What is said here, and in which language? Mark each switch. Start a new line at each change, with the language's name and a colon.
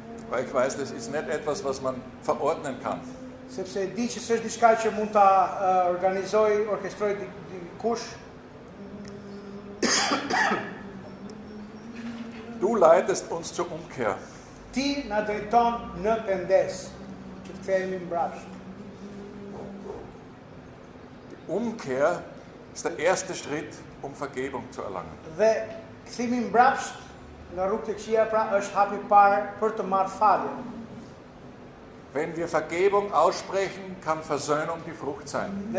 German: Weil ich weiß, das ist nicht etwas, was man verordnen kann.
Albanian: Sepse di që s'është diçka që mund ta organizoj, orkestroj dikush.
German: Du leitest uns zur Umkehr.
Albanian: Ti na drejton në pendes, që të kthehemi mbrapsht.
German: Die Umkehr ist der erste Schritt, um Vergebung zu erlangen.
Albanian: Dhe kthimi mbrapsht nga rrugë të këqija pra është hapi parë për të marrë faljen.
German: Wenn wir Vergebung aussprechen, kann Versöhnung die Frucht sein.